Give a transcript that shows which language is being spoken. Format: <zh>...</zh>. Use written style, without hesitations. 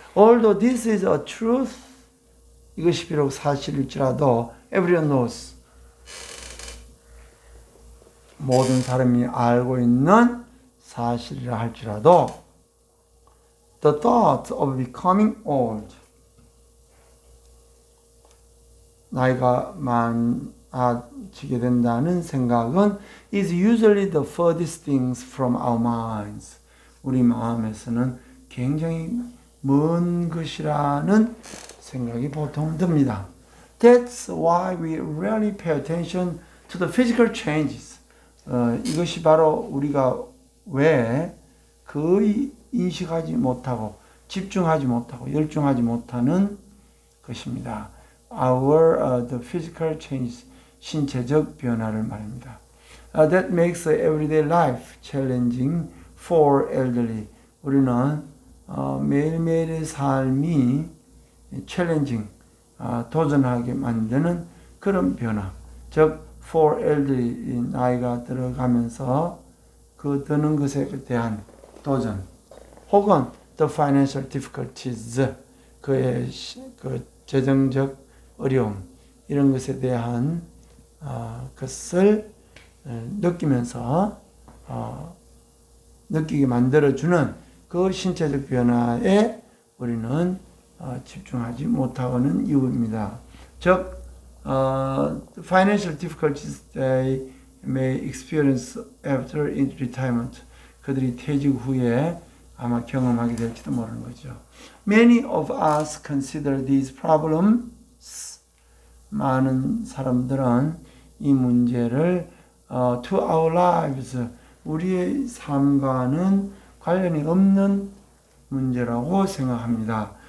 <en>Although this is a truth,</en> <ko>이것이 비록 사실일지라도,</ko> <en>everyone knows,</en> <ko>모든 사람이 알고 있는 사실이라 할지라도,</ko> <en>the thought of becoming old,</en> <ko>나이가 많아지게 된다는 생각은</ko> <en>is usually the furthest things from our minds.</en> <ko>우리 마음에서는 굉장히 먼 것이라는 생각이 보통 듭니다.</ko> <en>That's why we rarely pay attention to the physical changes.</en> <ko>이것이 바로 우리가 왜 거의 인식하지 못하고 집중하지 못하고 열중하지 못하는 것입니다.</ko> <en>The physical change,</en> <ko>신체적 변화를 말입니다.</ko> <en>That makes everyday life challenging for elderly.</en> <ko>우리는 매일매일의 삶이 challenging, 도전하게 만드는 그런 변화. 즉,</ko> <en>for elderly,</en> <ko>나이가 들어가면서 그 드는 것에 대한 도전, 혹은</ko> <en>the financial difficulties,</en> <ko>그 재정적 어려움, 이런 것에 대한 것을 느끼면서 느끼게 만들어주는 그 신체적 변화에 우리는 집중하지 못하고는 이유입니다.</ko> <en>즉, financial difficulties they may experience after retirement.</en> <ko>그들이 퇴직 후에 아마 경험하게 될지도 모르는 거죠.</ko> <en>Many of us consider these problems.</en> <ko>많은 사람들은 이 문제를</ko> <en>to our lives,</en> <ko>우리의 삶과는 관련이 없는 문제라고 생각합니다.</ko>